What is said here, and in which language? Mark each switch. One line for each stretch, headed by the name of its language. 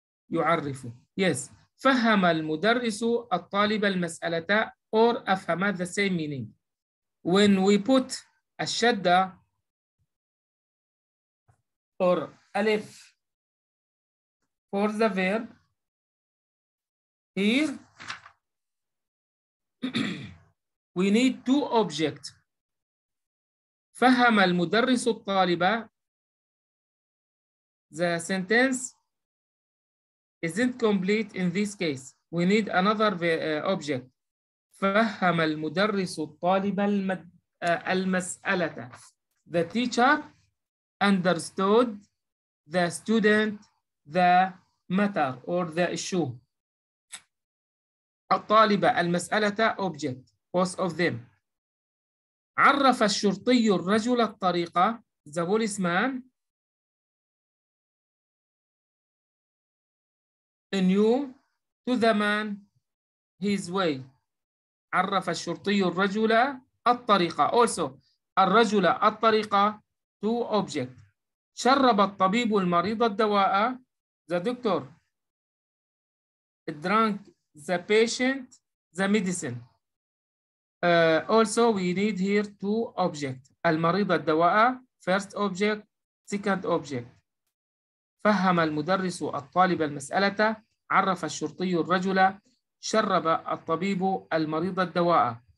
Arabic: يعرف
English: yes
Arabic: فهم المدرس الطالب المسألة
English: or
Arabic: أفهم
English: the same meaning when we put
Arabic: الشدة
English: or
Arabic: ألف
English: For the verb, here we need two objects.
Arabic: فهم المدرس الطالب.
English: The sentence isn't complete in this case. We need another object.
Arabic: فهم المدرس الطالب المسألة.
English: The teacher understood the student the matter or the issue.
Arabic: الطالبة المسألة
English: object both of them.
Arabic: عرف الشرطي الرجل الطريقة
English: the policeman knew to the man his way.
Arabic: عرف الشرطي الرجل الطريقة
English: also
Arabic: الرجل الطريقة
English: two object.
Arabic: شرب الطبيب المريض الدواء
English: The doctor drank the patient the medicine. Also, we need here two objects.
Arabic: المريض الدواء,
English: first object, second object.
Arabic: فهم المدرس الطالب المسألة, عرف الشرطي الرجل, شرب الطبيب المريض الدواء.